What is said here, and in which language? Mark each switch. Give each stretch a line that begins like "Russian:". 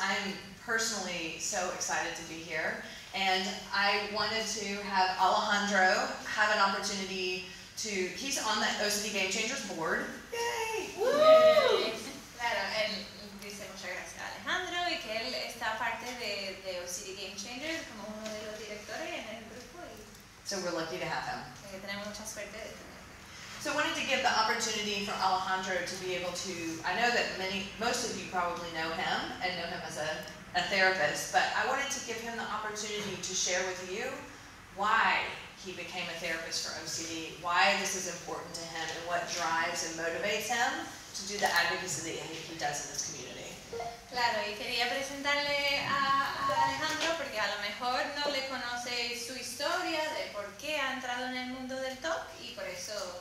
English: I'm personally so excited to be here, and I wanted to have Alejandro have an opportunity to. He's on the OCD Game Changers board. Yay! Woo!
Spanish: Claro, él dice muchas gracias a Alejandro y que él está parte de OCD Game Changers como uno de los directores en el grupo.
English: So we're lucky to have him.
Spanish: Tenemos mucha suerte.
English: So I wanted to give the opportunity for Alejandro to be able to, I know that most of you probably know him and know him as a therapist, but I wanted to give him the opportunity to share with you why he became a therapist for OCD, why this is important to him, and what drives and motivates him to do the advocacy that he does in this community.
Spanish: Claro, y quería presentarle a Alejandro porque a lo mejor no le conoce su historia de por qué ha entrado en el mundo del TOC y por eso